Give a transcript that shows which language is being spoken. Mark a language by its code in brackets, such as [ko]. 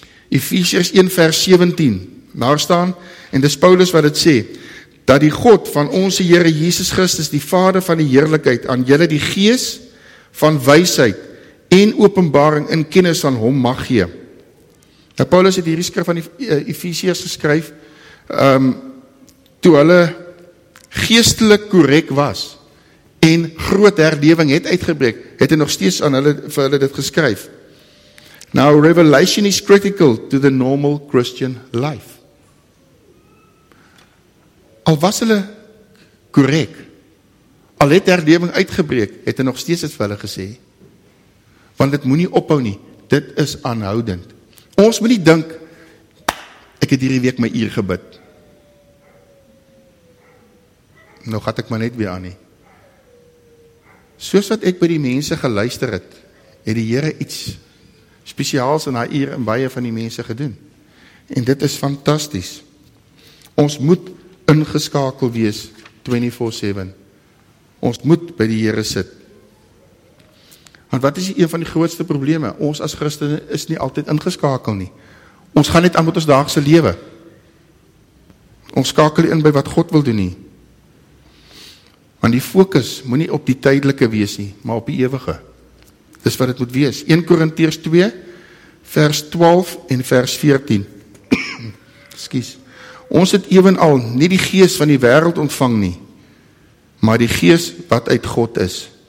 [af] Efesiërs 1 vers 17, daar staan, en dis Paulus wat dit sê, dat die God van onze Here Jesus Christus, die Vader van die Heerlijkheid, aan julle die gees van wysheid en openbaring in kennis van hom mag gee. Nou Paulus het hierdie skrif van die Efesiërs geskryf, toe hulle geestelik korrek was, en groot herlewing het uitgebreek, het hy nog steeds aan hulle, vir hulle dit geskryf. [en] Now, revelation is critical to the normal Christian life. [af] Al was hulle korrek, al het herlewing uitgebreek, het hy nog steeds het vir hulle gesê, want dit moet nie ophou nie, dit is aanhoudend. Ons moet nie dink, ek het hierdie week my uur gebid. Nou gaat ek maar net weer aan nie. Soos wat ek by die mense geluister het, het die Here iets spesiaals in haar uur en baie van die mense gedoen. En dit is fantasties. Ons moet ingeskakel wees 24/7. Ons moet by die Here sit. Want wat is een van die grootste probleme? Ons as Christene is nie altyd ingeskakel nie. Ons gaan net aan met ons daagse lewe. Ons skakel in by wat God wil doen nie. Want die fokus moet nie op die tydelike wees nie, maar op die ewige. Dis wat het moet wees. 1 Korintiërs 2 vers 12 en vers 14. Skies. Ons het evenal nie die gees van die wêreld ontvang nie, maar die gees wat uit God is.